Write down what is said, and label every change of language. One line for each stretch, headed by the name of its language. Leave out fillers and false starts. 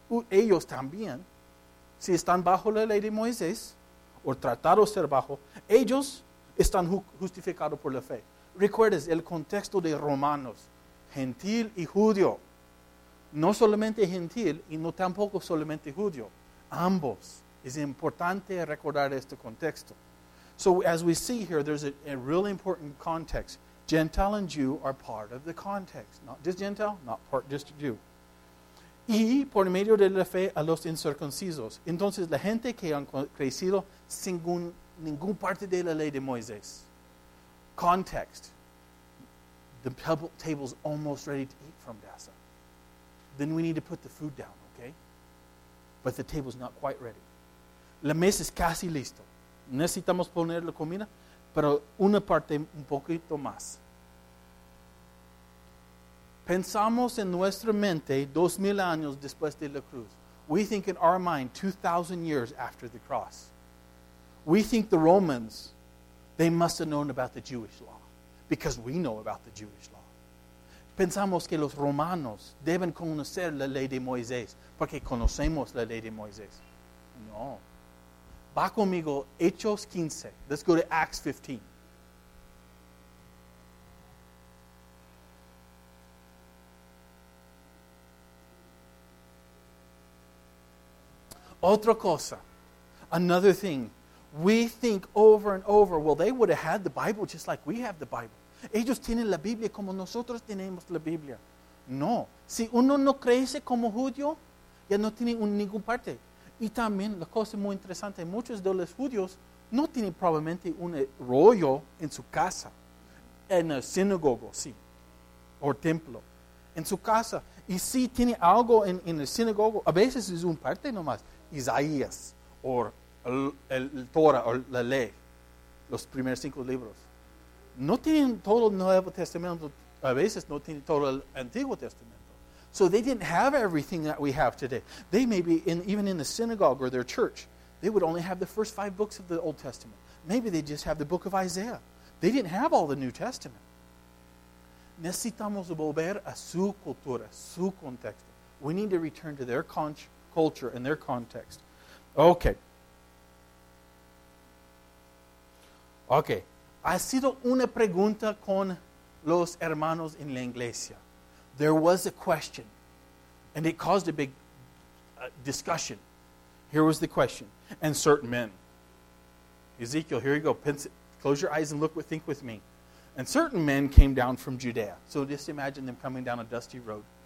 Spanish: Ellos también, si están bajo la ley de Moisés, o tratado de ser bajo, ellos están justificados por la fe. Recuerdes el contexto de Romanos, gentil y judío. No solamente gentil y no tampoco solamente judío. Ambos. Es importante recordar este contexto.
English: So as we see here, there's a really important context. Gentile and Jew are part of the context. Not just Gentile, not part just Jew.
Spanish: Y por medio de la fe a los incircuncisos. Entonces la gente que han crecido sin ningún parte de la ley de Moisés.
English: Context. The table's almost ready to eat from Dasa. Then we need to put the food down, okay? But the table's not quite ready.
Spanish: La mesa es casi listo. Necesitamos poner la comida. Pero una parte un poquito más. Pensamos en nuestra mente 2,000 años después de la cruz.
English: We think in our mind 2,000 years after the cross. We think the Romans, they must have known about the Jewish law because we know about the Jewish law.
Spanish: Pensamos que los romanos deben conocer la ley de Moisés porque conocemos la ley de Moisés. No. Va conmigo Hechos 15.
English: Let's go to Acts 15.
Spanish: Otra cosa.
English: Another thing. We think over and over, well, they would have had the Bible just like we have the Bible.
Spanish: Ellos tienen la Biblia como nosotros tenemos la Biblia. No. Si uno no crece como judío, ya no tiene ninguna parte. Y también, la cosa muy interesante, muchos de los judíos no tienen probablemente un rollo en su casa, en el sinagogo, sí, o templo, en su casa. Y si tiene algo en el sinagogo, a veces es un parte nomás, Isaías, o el Torah, o la ley, los primeros 5 libros. No tienen todo el Nuevo Testamento, a veces no tienen todo el Antiguo Testamento.
English: So they didn't have everything that we have today. They maybe, even in the synagogue or their church, they would only have the first 5 books of the Old Testament. Maybe they just have the book of Isaiah. They didn't have all the New Testament.
Spanish: Necesitamos volver a su cultura, su contexto.
English: We need to return to their culture and their context. Okay. Okay.
Spanish: Ha sido una pregunta con los hermanos en la iglesia.
English: There was a question, and it caused a big discussion. Here was the question, and certain men. Ezekiel, here you go. Close your eyes and think with me. And certain men came down from Judea. So just imagine them coming down a dusty road.